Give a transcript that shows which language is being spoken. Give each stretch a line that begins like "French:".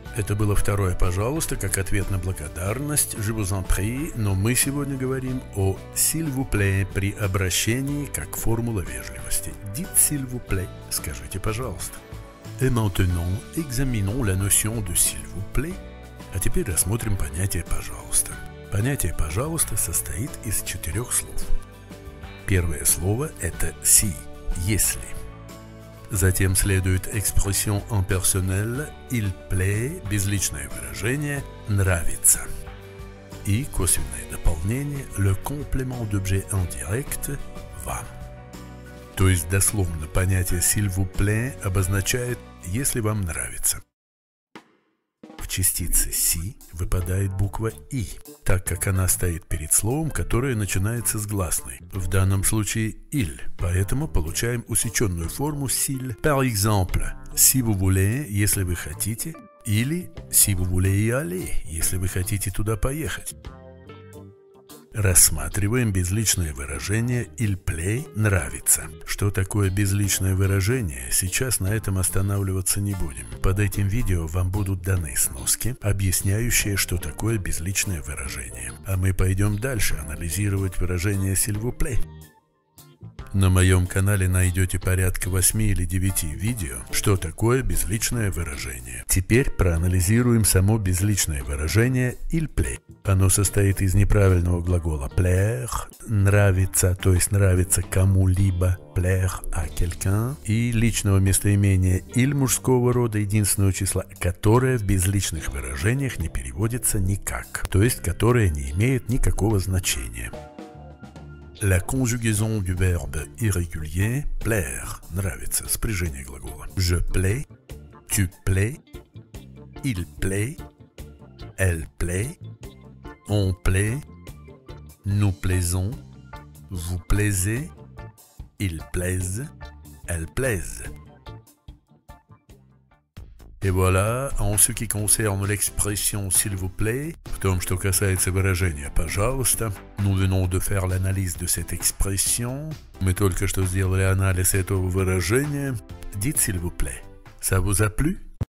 Russian: Это было второе «пожалуйста» как ответ на благодарность.
French: Je vous en prie,
Russian: но мы сегодня говорим о
French: «s'il vous plaît»
Russian: при обращении как формула вежливости.
French: Dites «s'il vous plaît»,
Russian: скажите «пожалуйста».
French: Et maintenant, examinons la notion de «s'il vous plaît».
Russian: А теперь рассмотрим понятие «пожалуйста». Понятие «пожалуйста» состоит из четырех слов. Первое слово – это «si», «если». Затем следует
French: expression impersonnelle «il plaît»,
Russian: безличное выражение «нравится». И косвенное дополнение
French: «le complément d'objet indirect»
Russian: – «вам». То есть дословно понятие
French: «s'il vous plaît»
Russian: обозначает «если вам нравится». В частице «si» выпадает буква «i», так как она стоит перед словом, которое начинается с гласной. В данном случае «il», поэтому получаем усеченную форму «s'il».
French: Par exemple, «si vous voulez»,
Russian: если вы хотите,
French: или «si vous voulez y aller»,
Russian: если вы хотите туда поехать. Рассматриваем безличное выражение
French: «il plaît»
Russian: – «нравится». Что такое безличное выражение? Сейчас на этом останавливаться не будем. Под этим видео вам будут даны сноски, объясняющие, что такое безличное выражение. А мы пойдем дальше анализировать выражение
French: «s'il vous plaît».
Russian: На моем канале найдете порядка 8 или 9 видео, что такое безличное выражение. Теперь проанализируем само безличное выражение
French: «il plaît».
Russian: Оно состоит из неправильного глагола «plaire» – «нравится», то есть «нравится кому-либо»,
French: «plaire à quelqu'un»,
Russian: и личного местоимения «il» мужского рода, единственного числа, которое в безличных выражениях не переводится никак, то есть которое не имеет никакого значения.
French: La conjugaison du verbe irrégulier plaire
Russian: нравится, спряжение глагола.
French: Je plais, tu plais, il plaît, elle plaît, on plaît, nous plaisons, vous plaisez, il plaise, elle plaise. Et voilà, en ce qui concerne l'expression « s'il vous plaît »,
Russian: в том, что касается выражения «пожалуйста»,
French: nous venons de faire l'analyse de cette expression.
Russian: Мы только что сделали анализ этого выражения.
French: Dites «s'il vous plaît». Ça vous a plu?